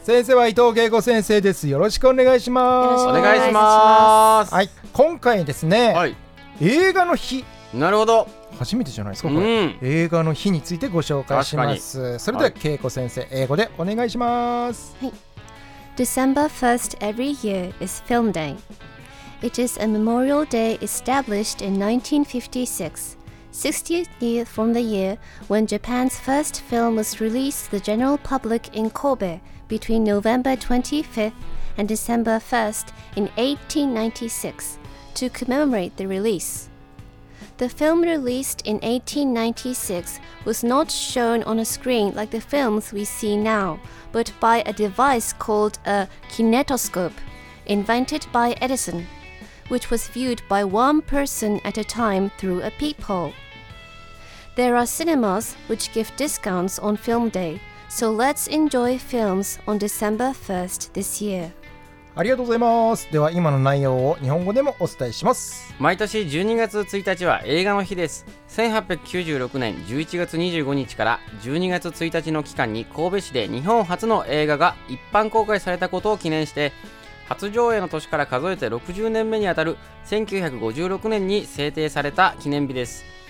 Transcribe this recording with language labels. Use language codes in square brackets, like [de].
[ja] 先生は伊藤恵子先生です。よろしくお願いします。お願いします。はい、今回ですね、はい、映画の日、なるほど、初めてじゃないですか、これ、うん、映画の日についてご紹介します。それでは恵子先生、はい、英語でお願いします。 [en] はい、December 1st every year is Film Day. It is a memorial day established in 1956, 60th year from the year when Japan's first film was released to the general public in Kobe between November 25th and December 1st in 1896 to commemorate the release. The film released in 1896 was not shown on a screen like the films we see now,but by a device called a kinetoscope, invented by Edison, which was viewed by one person at a time through a peephole. There are cinemas which give discounts on film day, so let's enjoy films on December 1st this year. [ja] ありがとうございます。では今の内容を日本語でもお伝えします。毎年12月1日は映画の日です。1896年11月25日から12月1日の期間に神戸市で日本初の映画が一般公開されたことを記念して、初上映の年から数えて60年目にあたる1956年に制定された記念日です。